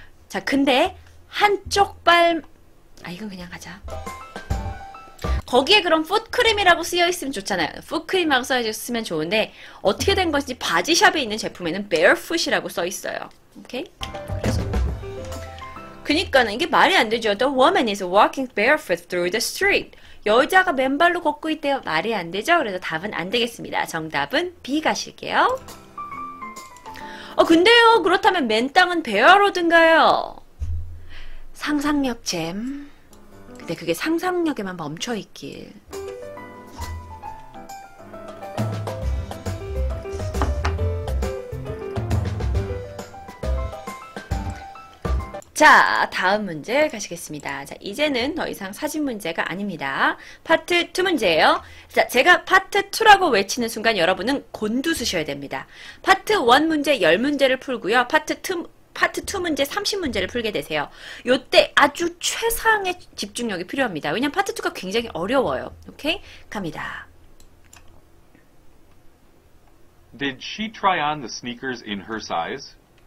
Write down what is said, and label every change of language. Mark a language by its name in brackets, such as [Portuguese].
[Korean] 자, 근데 한쪽 발, 아, 이건 그냥 가자. 거기에 그럼 풋크림이라고 쓰여 있으면 좋잖아요. 풋크림이라고 써 있으면 좋은데, 어떻게 된 건지 바지샵에 있는 제품에는 barefoot이라고 써 있어요. 오케이? 그래서. 그니까는 이게 말이 안 되죠. [English] The woman is walking barefoot through the street. [Korean] 여자가 맨발로 걷고 있대요. 말이 안 되죠? 그래서 답은 안 되겠습니다. 정답은 B 가실게요. 근데요. 그렇다면 맨 땅은 배화로든가요? 상상력 잼. 근데 그게 상상력에만 멈춰 있길. 자, 다음 문제 가시겠습니다. 자, 이제는 더 이상 사진 문제가 아닙니다. 파트 2 문제예요. 자, 제가 파트 2라고 외치는 순간 여러분은 곤두서셔야 됩니다. 파트 1 문제 10문제를 풀고요. 파트 2 문제 30문제를 풀게 되세요. 요때 아주 최상의 집중력이 필요합니다. 왜냐면 파트 2가 굉장히 어려워요. 오케이? 갑니다. [English] Did she try on the sneakers in her size?